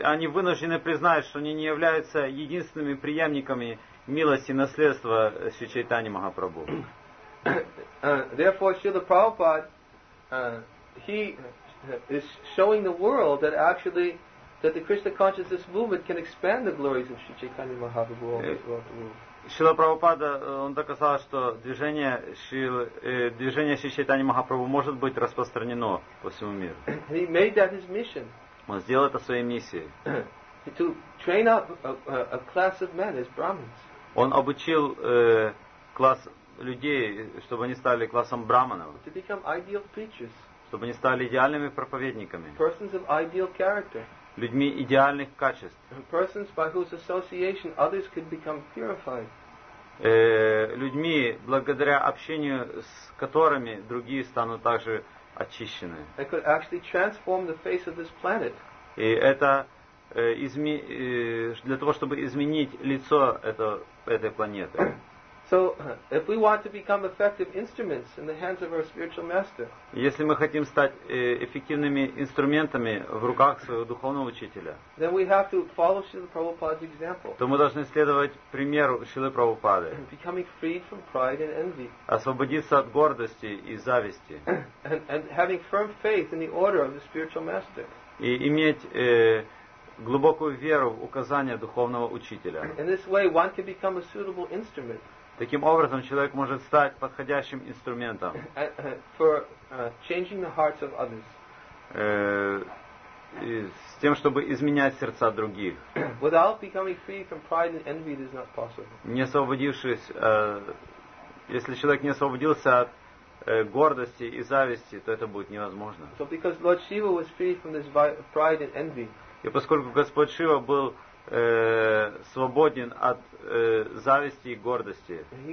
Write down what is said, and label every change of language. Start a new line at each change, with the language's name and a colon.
Russian: Они вынуждены признать, что они не являются единственными преемниками милости и наследства Шри Чайтани Махапрабху.
English: Therefore, Srila Prabhupada, he is showing the world that actually that the Krishna consciousness movement can expand the glories of Sri Chaitanya Mahaprabhu all throughout the world.
Russian: Шрила Прабхупада, он доказал, что движение Шри Чайтани Махапрабху может быть распространено по всему миру.
English: And he made that his mission.
Russian: Он сделал это своей миссией.
English: To train up a class of men as Brahmins.
Russian: Он обучил класс людей, чтобы они стали классом брахманов.
English: To become ideal preachers.
Russian: Чтобы они стали идеальными проповедниками.
English: Persons of ideal character.
Russian: Людьми идеальных качеств.
English: Persons by whose association others could become purified.
Russian: Людьми, благодаря общению с которыми другие станут также очищены.
English: They could actually transform the face of this planet.
Russian: И это для того, чтобы изменить лицо этой планеты.
English: So, if we want to become effective instruments in the hands of our spiritual master,
Russian: если мы хотим стать эффективными инструментами в руках своего духовного учителя,
English: then we have to follow Srila Prabhupada's example.
Russian: То мы должны следовать примеру Шрилы Прабхупады.
English: Becoming freed from pride and envy.
Russian: Освободиться от гордости и зависти.
English: And having firm faith in the order of the spiritual master.
Russian: И иметь глубокую веру в указания духовного учителя.
English: In this way, one can become a suitable instrument.
Russian: Таким образом, человек может стать подходящим инструментом
English: for changing the hearts of others.
Russian: С тем, чтобы изменять сердца других.
English: Without becoming free from pride and envy, it is not possible.
Russian: Не освободившись, если человек не освободился от гордости и зависти, то это будет невозможно.
English: So because Lord Shiva was free from this pride and envy.
Russian: И поскольку Господь Шива был свободен от зависти и гордости.